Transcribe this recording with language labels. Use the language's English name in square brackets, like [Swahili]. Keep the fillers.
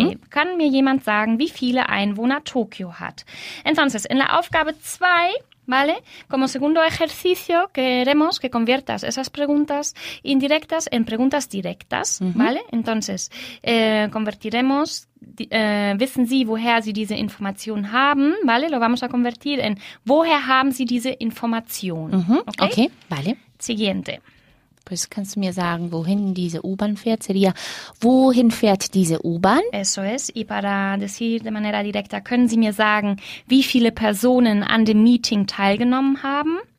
[German] Kann mir jemand sagen, wie viele Einwohner Tokio hat? Entonces, in der Aufgabe 2 ¿vale? [Spanish] Como segundo ejercicio, queremos que conviertas esas preguntas indirectas en preguntas directas, ¿vale? Uh -huh. Entonces, eh, convertiremos. [German] Wissen eh, Sie, woher Sie diese [Spanish] información, [German] haben? [Spanish] Vale, lo vamos a convertir en [German] Woher haben Sie diese información. [Spanish] Uh -huh. ¿Okay? Okay. vale. Siguiente. [German] Pues kannst du mir sagen, wohin diese U-Bahn fährt? [Spanish] Sería, [German] wohin fährt diese U-Bahn? [Spanish] Eso es. Y para decir de manera directa, [German] können Sie mir sagen, wie viele Personen an dem Meeting teilgenommen haben?